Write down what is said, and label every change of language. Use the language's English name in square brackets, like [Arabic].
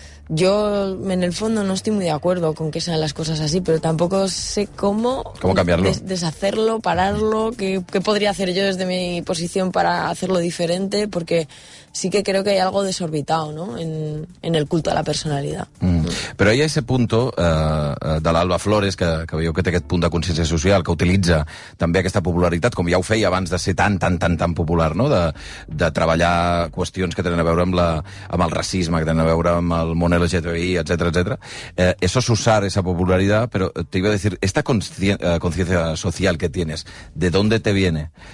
[Spanish] Yo, en el fondo, no estoy muy de acuerdo con que sean las cosas así, pero tampoco sé cómo cambiarlo, deshacerlo, pararlo, qué podría hacer yo desde mi posición para hacerlo diferente, porque sí que creo que hay algo desorbitado, ¿no?, en el culto a la personalidad. Mm. [Catalan] Però hi ha [Spanish] ese punto [Catalan] de l'Alba Flores, que veieu que té aquest punt de consciència social, que utilitza també aquesta popularitat, com ja ho feia abans de ser tan popular, no?, de treballar qüestions que tenen a veure amb el racisme, que tenen a veure amb el món LGTBI, etcètera, etcètera. [Spanish] Eso es usar esa popularidad, pero te iba a decir, esta conciencia social que tienes, ¿de dónde te viene?